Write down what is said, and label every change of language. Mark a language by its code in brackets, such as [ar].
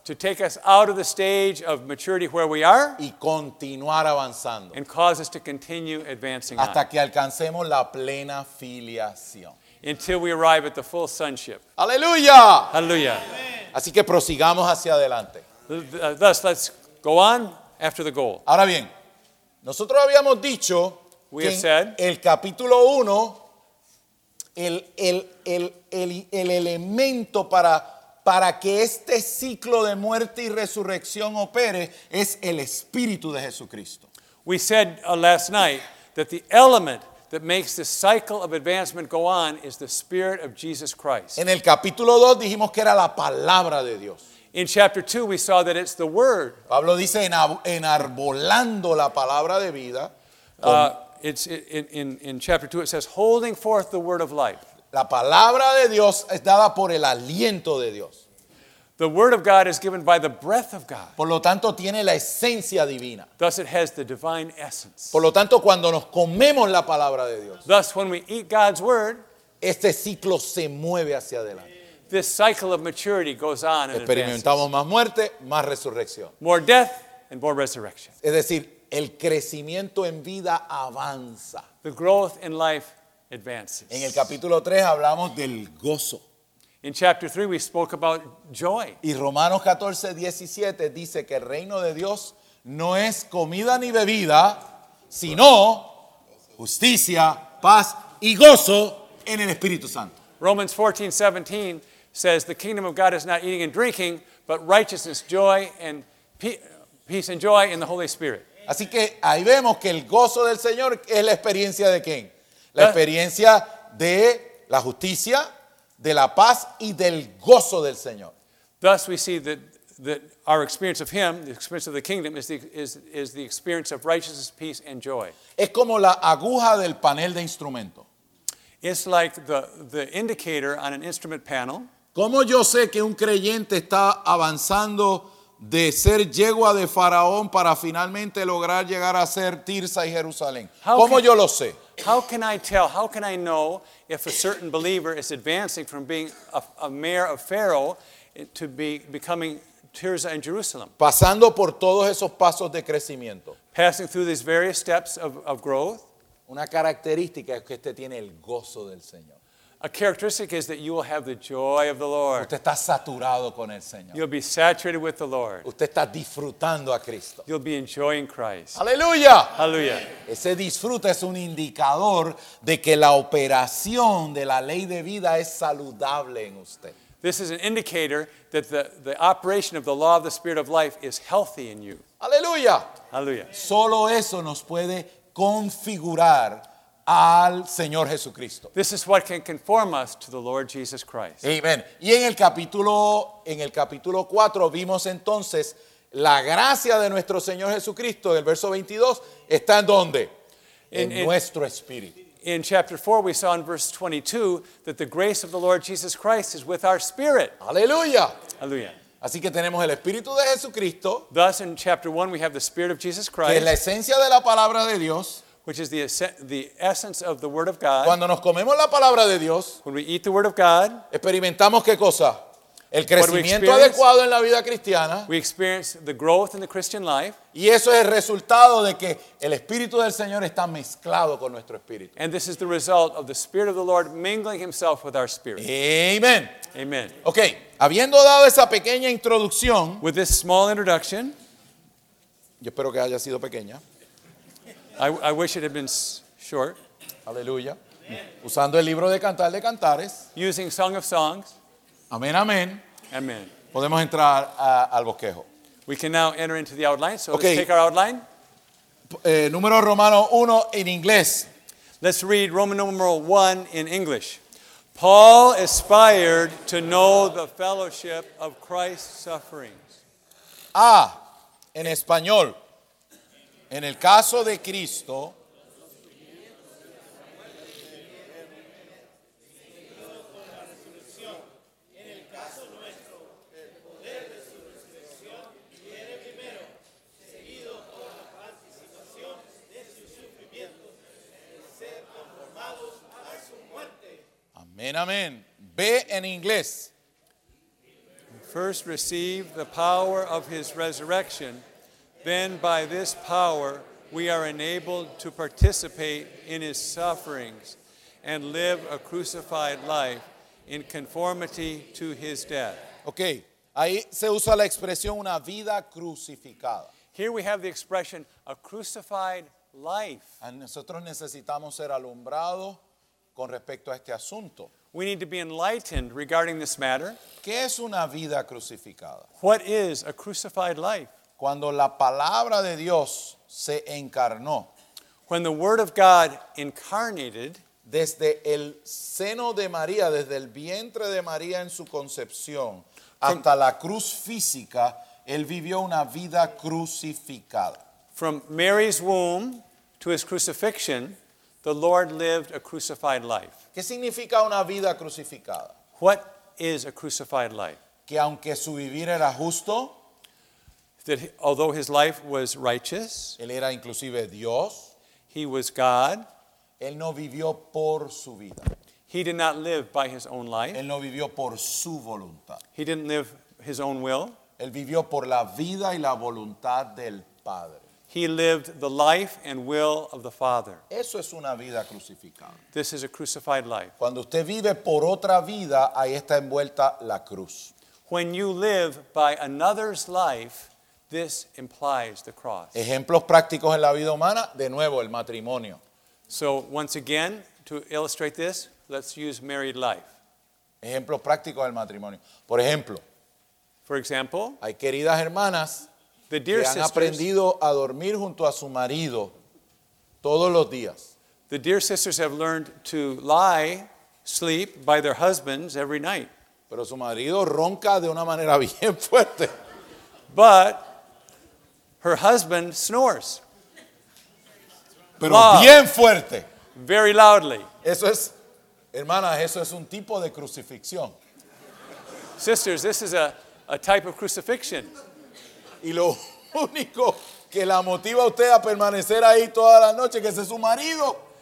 [en] To take us out of the stage of maturity where we are. [es] Y continuar avanzando. [en] And cause us to continue advancing [es] hasta [en] on. [es] Hasta que alcancemos la plena filiación. [en] Until we arrive at the full sonship. [es] ¡Aleluya! ¡Aleluya! Así que prosigamos hacia adelante. [en] Thus, let's go on after the goal. [es] Ahora bien, nosotros habíamos dicho [en] we have said, [es] el capítulo 1, el elemento para que este ciclo de muerte y resurrección opere es el Espíritu de Jesucristo. [en] We said last night that the element that makes the cycle of advancement go on is the Spirit of Jesus Christ. [es] En el capítulo 2 dijimos que era la Palabra de Dios. [en] In chapter 2, we saw that it's the Word. [es] Pablo dice, enarbolando la palabra de vida. [en] In chapter 2, it says, holding forth the Word of life. [es] La palabra de Dios es dada por el aliento de Dios. [en] The Word of God is given by the breath of God. [es] Por lo tanto, tiene la esencia divina. [en] Thus, it has the divine essence. [es] Por lo tanto, cuando nos comemos la palabra de Dios. [en] Thus, when we eat God's Word. [es] Este ciclo se mueve hacia adelante. [en] This cycle of maturity goes on and [es] experimentamos [en] advances. [es] Más muerte, más resurrección. [en] More death and more resurrection. [es] Es decir, el crecimiento en vida avanza. [en] The growth in life advances. [es] En el capítulo 3 hablamos del gozo. [en] In chapter 3 we spoke about joy. [es] Y Romanos 14, 17 dice que el reino de Dios no es comida ni bebida, sino justicia, paz y gozo en el Espíritu Santo. [en] Romans 14, 17 says, the kingdom of God is not eating and drinking, but righteousness, joy, and peace and joy in the Holy Spirit. [es] Así que ahí vemos que el gozo del Señor es la experiencia de quién? La experiencia de la justicia, de la paz, y del gozo del Señor. [en] Thus we see that our experience of Him, the experience of the kingdom, is the experience of righteousness, peace, and joy. [es] Es como la aguja del panel de instrumentos. [en] It's like the indicator on an instrument panel. [es] ¿Cómo yo sé que un creyente está avanzando de ser yegua de Faraón para finalmente lograr llegar a ser Tirsa y Jerusalén? ¿Cómo yo lo sé? [en] How can I tell? How can I know if a certain believer is advancing from being a mayor of Pharaoh to becoming Tirsa and Jerusalem? [es] Pasando por todos esos pasos de crecimiento. [en] Passing through these various steps of growth. [es] Una característica es que usted tiene el gozo del Señor. [en] A characteristic is that you will have the joy of the Lord. [es] Usted está saturado con el Señor. [en] You'll be saturated with the Lord. [es] Usted está disfrutando a Cristo. [en] You'll be enjoying Christ. [es] Aleluya. Aleluya. Ese disfrute es un indicador de que la operación de la ley de vida es saludable en usted. [en] This is an indicator that the operation of the law of the Spirit of life is healthy in you. [es] Aleluya. Aleluya. Solo eso nos puede configurar al Señor Jesucristo. [en] This is what can conform us to the Lord Jesus Christ. Amen. [es] Y en el capítulo 4 vimos entonces la gracia de nuestro Señor Jesucristo, el verso 22, ¿está en dónde? En nuestro espíritu. [en] In chapter 4 we saw in verse 22 that the grace of the Lord Jesus Christ is with our spirit. [es] Aleluya. Aleluya. Así que tenemos el Espíritu de Jesucristo. [en] Thus in chapter 1 we have the Spirit of Jesus Christ. [es] Que es la esencia de la palabra de Dios. [en] Which is the essence of the Word of God. [es] Cuando nos comemos la palabra de Dios, [en] when we eat the Word of God, [es] experimentamos ¿qué cosa? El crecimiento adecuado en la vida cristiana. [en] We experience the growth in the Christian life. [es] Y eso es el resultado de que el Espíritu del Señor está mezclado con nuestro espíritu. [en] And this is the result of the Spirit of the Lord mingling himself with our spirit. Amen. Amen. [es] Okay, habiendo dado esa pequeña introducción, [en] with this small introduction, [es] yo espero que haya sido pequeña. [en] I wish it had been short. [es] Aleluya. Usando el libro de Cantar de Cantares. [en] Using Song of Songs. [es] Amén, amén. [en] Amen. [es] Podemos entrar al bosquejo. [en] We can now enter into the outline. So okay. Let's take our outline. [es] Número Romano 1 en inglés. [en] Let's read Roman numeral 1 in English. Paul aspired to know the fellowship of Christ's sufferings. [es] Ah, en español. En el caso de Cristo, en el caso nuestro, el poder de su resurrección viene primero, seguido por la participación de su sufrimiento, el ser conformado a su muerte. Amén, amén. Ve en inglés. [en] First receive the power of his resurrection. Then by this power we are enabled to participate in his sufferings and live a crucified life in conformity to his death. [es] Okay, ahí se usa la expresión una vida crucificada. [en] Here we have the expression a crucified life. [es] A nosotros necesitamos ser alumbrados con respecto a este asunto. [en] We need to be enlightened regarding this matter. [es] ¿Qué es una vida crucificada? [en] What is a crucified life? [es] Cuando la palabra de Dios se encarnó. [en] When the Word of God incarnated. [es] Desde el seno de María, desde el vientre de María en su concepción, hasta la cruz física, él vivió una vida crucificada. [en] From Mary's womb to his crucifixion, the Lord lived a crucified life. [es] ¿Qué significa una vida crucificada? [en] What is a crucified life? [es] Que aunque su vivir era justo, [en] that although his life was righteous, [es] él era inclusive Dios, [en] he was God, [es] él no vivió por su vida. [en] He did not live by his own life. [es] Él no vivió por su voluntad. [en] He didn't live his own will. [es] Él vivió por la vida y la voluntad del Padre. [en] He lived the life and will of the Father. [es] Eso es una vida crucificada. [en] This is a crucified life. [es] Cuando usted vive por otra vida, ahí está envuelta la cruz. [en] When you live by another's life, this implies the cross. [es] Ejemplos prácticos en la vida humana, de nuevo el matrimonio. [en] So once again, to illustrate this, let's use married life. [es] Ejemplos prácticos del matrimonio. Por ejemplo. [en] For example. [es] Hay queridas hermanas [en] the dear [es] que han aprendido a dormir junto a su marido todos los días. [en] The dear sisters have learned to lie, sleep by their husbands every night. [es] Pero su marido ronca de una manera bien fuerte. [en] But her husband snores. [es] Pero loud. Bien fuerte. [en] Very loudly. [es] Eso es, hermanas, eso es un tipo de crucifixión. [en] Sisters, this is a type of crucifixion. [es] Y lo único que la motiva a usted a permanecer ahí toda la noche, que es su marido.